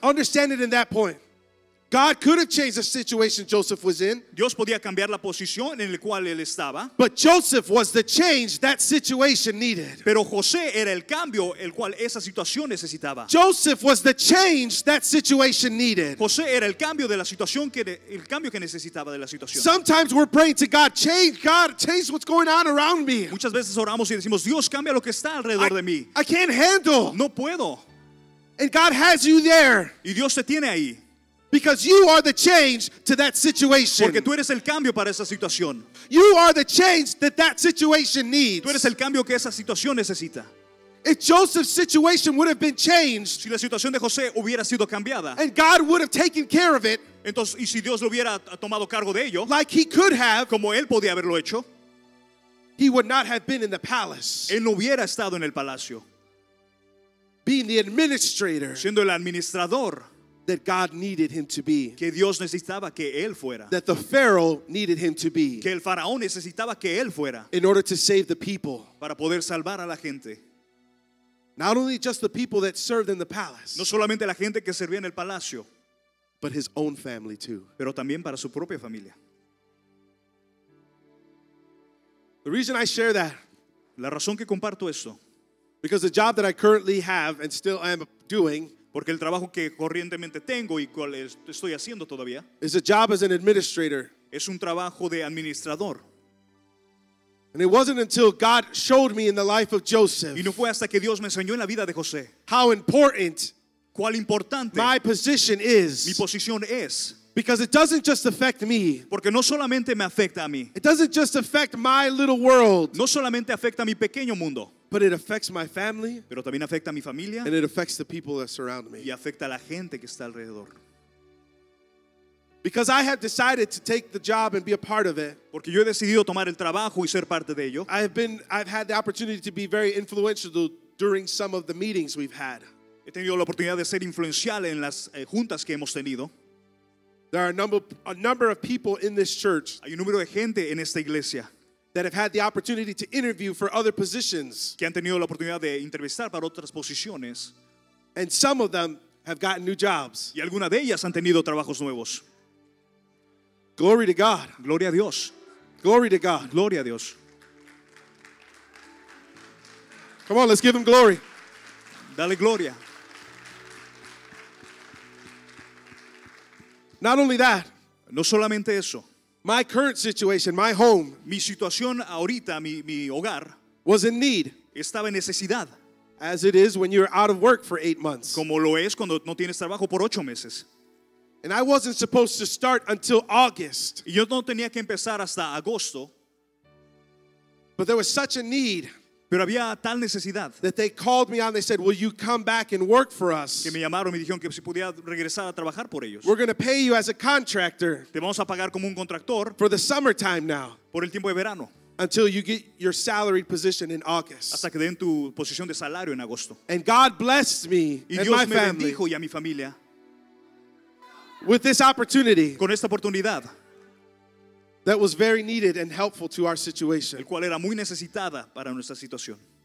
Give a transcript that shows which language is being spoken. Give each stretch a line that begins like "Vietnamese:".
English: Understand it in that point. God could have changed the situation Joseph was in.
Spanish: Dios podía cambiar la posición en el cual él estaba.
English: But Joseph was the change that situation needed.
Spanish: Pero José era el cambio el cual esa situación necesitaba.
English: Joseph was the change that situation needed.
Spanish: José era el cambio de la situación que el cambio que necesitaba de la situación.
English: Sometimes we're praying to God, change, God, change what's going on around me.
Spanish: Muchas veces oramos y decimos, Dios, cambia lo que está alrededor de mí.
English: I can't handle.
Spanish: No puedo.
English: And God has you there.
Spanish: Y Dios te tiene ahí.
English: Because you are the change to that situation.
Spanish: Porque tú eres el cambio para esa situación.
English: You are the change that that situation needs.
Spanish: Tú eres el cambio que esa situación necesita.
English: If Joseph's situation would have been changed,
Spanish: si la situación de José hubiera sido cambiada,
English: and God would have taken care of it,
Spanish: entonces, y si Dios lo hubiera tomado cargo de ello,
English: like he could have,
Spanish: como él podía haberlo hecho,
English: he would not have been in the palace.
Spanish: Él no hubiera estado en el palacio.
English: Being the administrator,
Spanish: siendo el administrador,
English: that God needed him to be.
Spanish: Que Dios necesitaba que él fuera.
English: That the Pharaoh needed him to be.
Spanish: Que el faraón necesitaba que él fuera.
English: In order to save the people.
Spanish: Para poder salvar a la gente.
English: Not only just the people that served in the palace.
Spanish: No solamente la gente que servía en el palacio.
English: But his own family too.
Spanish: Pero también para su propia familia.
English: The reason I share that.
Spanish: La razón que comparto esto.
English: Because the job that I currently have and still am doing.
Spanish: Porque el trabajo que corrientemente tengo y cual estoy haciendo todavía
English: is a job as an administrator.
Spanish: Es un trabajo de administrador.
English: And it wasn't until God showed me in the life of Joseph.
Spanish: Y no fue hasta que Dios me enseñó en la vida de José.
English: How important.
Spanish: Cuál importante.
English: My position is.
Spanish: Mi posición es.
English: Because it doesn't just affect me.
Spanish: Porque no solamente me afecta a mí.
English: It doesn't just affect my little world.
Spanish: No solamente afecta a mi pequeño mundo.
English: But it affects my family.
Spanish: Pero también afecta a mi familia.
English: And it affects the people that surround me.
Spanish: Y afecta a la gente que está alrededor.
English: Because I have decided to take the job and be a part of it.
Spanish: Porque yo he decidido tomar el trabajo y ser parte de ello.
English: I've had the opportunity to be very influential during some of the meetings we've had.
Spanish: He tenido la oportunidad de ser influencial en las juntas que hemos tenido.
English: There are a number of people in this church.
Spanish: Hay un número de gente en esta iglesia.
English: That have had the opportunity to interview for other positions.
Spanish: Que han tenido la oportunidad de entrevistar para otras posiciones.
English: And some of them have gotten new jobs.
Spanish: Y algunas de ellas han tenido trabajos nuevos.
English: Glory to God.
Spanish: Gloria a Dios.
English: Glory to God.
Spanish: Gloria a Dios.
English: Come on, let's give him glory.
Spanish: Dale gloria.
English: Not only that.
Spanish: No solamente eso.
English: My current situation, my home,
Spanish: mi situación ahorita, mi hogar,
English: was in need.
Spanish: Estaba en necesidad.
English: As it is when you're out of work for 8 months.
Spanish: Como lo es cuando no tienes trabajo por 8 meses.
English: And I wasn't supposed to start until August.
Spanish: Y yo no tenía que empezar hasta agosto.
English: But there was such a need.
Spanish: Pero había tal necesidad.
English: That they called me on, they said, "Will you come back and work for us?"
Spanish: Que me llamaron y me dijeron que si podía regresar a trabajar por ellos.
English: We're going to pay you as a contractor.
Spanish: Te vamos a pagar como un contractor.
English: For the summertime now.
Spanish: Por el tiempo de verano.
English: Until you get your salaried position in August.
Spanish: Hasta que den tu posición de salario en agosto.
English: And God blessed me
Spanish: y
English: and
Spanish: Dios
English: my family.
Spanish: Me bendijo y a mi familia.
English: With this opportunity.
Spanish: Con esta oportunidad.
English: That was very needed and helpful to our situation.
Spanish: El cual era muy necesitada para nuestra situación.